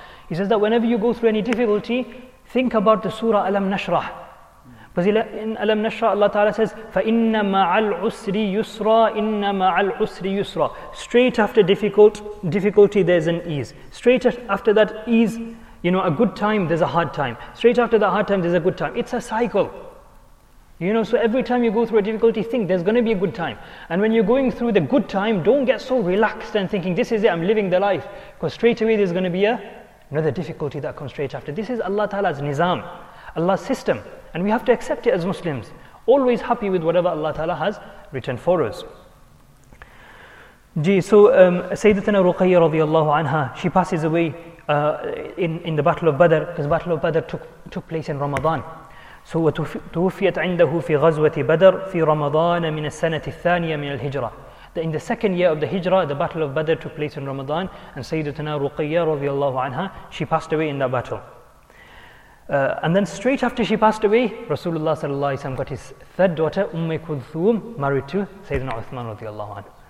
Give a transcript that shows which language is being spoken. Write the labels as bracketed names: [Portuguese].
[English] He says that whenever you go through any difficulty, think about the surah ألم نشرح. Because in ألم نشرح, Allah Ta'ala says, [Arabic] فَإِنَّ مَعَ الْعُسْرِ يُسْرًا [English] إِنَّ مَعَ الْعُسْرِ يُسْرًا. Straight after difficulty, there's an ease. Straight after that ease, you know, a good time, there's a hard time. Straight after that hard time, there's a good time. It's a cycle. You know, so every time you go through a difficulty, think there's going to be a good time. And when you're going through the good time, don't get so relaxed and thinking, this is it, I'm living the life. Because straight away there's going to be another difficulty that comes straight after. This is Allah Ta'ala's nizam, Allah's system. And we have to accept it as Muslims. Always happy with whatever Allah Ta'ala has written for us. Sayyidatina Ruqayya radiallahu anha, she passes away in the Battle of Badr, because Battle of Badr took place in Ramadan. [Arabic] So وتوفيت عنده في غزوة بدر في رمضان من السنة الثانية من الهجرة. [English] That in the second year of the Hijra, the Battle of Badr took place in Ramadan, and Sayyidatina Ruqayya [Arabic] رضي الله عنها, [English] she passed away in that battle. And then straight after she passed away, Rasulullah [Arabic] صلى الله عليه وسلم [English] got his third daughter أم كلثوم married to Sayyidina Uthman [Arabic] رضي الله عنه.